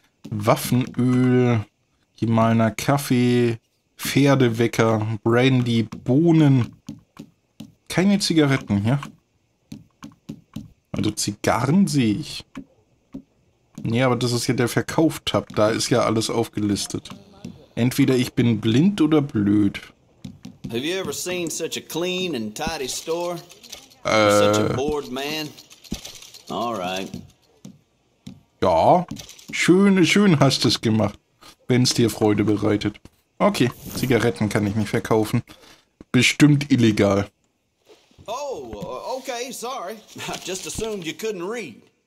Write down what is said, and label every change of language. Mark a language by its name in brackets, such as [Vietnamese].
[German] Waffenöl, gemahlener Kaffee, Pferdewecker, Brandy, Bohnen. Keine Zigaretten hier. Also Zigarren sehe ich. Nee, aber das ist ja der Verkauf-Tab. Da ist ja alles aufgelistet. Entweder ich bin blind oder blöd. [English] Have you ever seen such a clean and tidy store? Such a bored man? All right. [German] Ja, schön hast du es gemacht, wenn es dir Freude bereitet. Okay, Zigaretten kann ich nicht verkaufen. Bestimmt illegal. [English] Oh, okay, sorry. I just assumed you couldn't read.